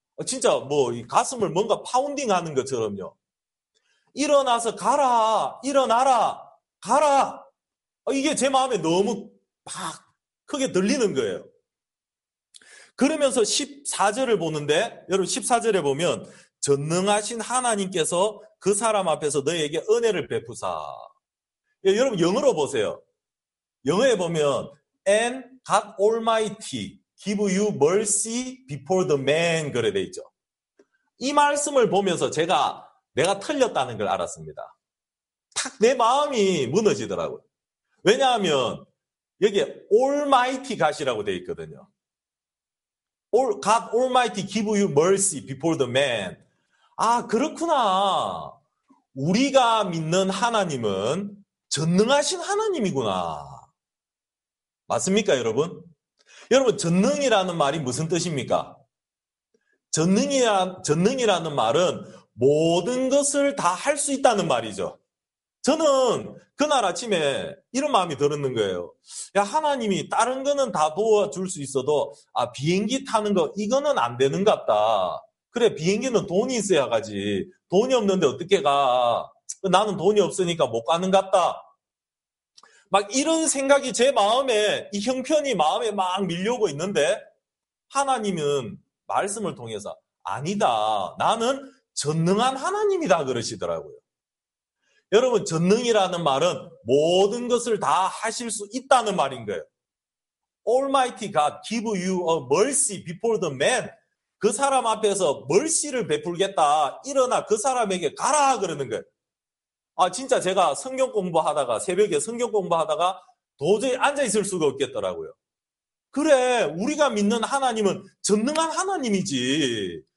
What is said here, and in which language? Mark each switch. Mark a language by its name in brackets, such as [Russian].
[Korean] 진짜 뭐 가슴을 뭔가 파운딩 하는 것처럼요. 일어나서 가라. 일어나라. 가라. 이게 제 마음에 너무 팍 크게 들리는 거예요. 그러면서 14절을 보는데, 여러분 14절에 보면, 전능하신 하나님께서 그 사람 앞에서 너에게 은혜를 베푸사. 여러분 영어로 보세요. 영어에 보면, [English] and God Almighty. Give you mercy before the man. [Korean] 그래 돼 있죠. 이 말씀을 보면서 내가 틀렸다는 걸 알았습니다. 탁내 마음이 무너지더라고요. 왜냐하면 여기에 Almighty God이라고 돼 있거든요. [English] God Almighty give you mercy before the man. [Korean] 아, 그렇구나. 우리가 믿는 하나님은 전능하신 하나님이구나. 맞습니까, 여러분? 여러분, 전능이라는 말이 무슨 뜻입니까? 전능이라는 말은 모든 것을 다할수 있다는 말이죠. 저는 그날 아침에 이런 마음이 들었는 거예요. 야, 하나님이 다른 거는 다 도와줄 수 있어도, 아, 비행기 타는 거, 이거는 안 되는 것 같다. 그래, 비행기는 돈이 있어야 가지. 돈이 없는데 어떻게 가? 나는 돈이 없으니까 못 가는 것 같다. 막 이런 생각이 제 마음에, 이 형편이 마음에 막 밀려오고 있는데, 하나님은 말씀을 통해서, 아니다. 나는 전능한 하나님이다. 그러시더라고요. 여러분, 전능이라는 말은 모든 것을 다 하실 수 있다는 말인 거예요. [English] Almighty God give you a mercy before the man. [Korean] 그 사람 앞에서 멀씨를 베풀겠다. 일어나 그 사람에게 가라. 그러는 거예요. 아, 진짜 제가 성경 공부하다가, 새벽에 성경 공부하다가 도저히 앉아있을 수가 없겠더라고요. 그래, 우리가 믿는 하나님은 전능한 하나님이지.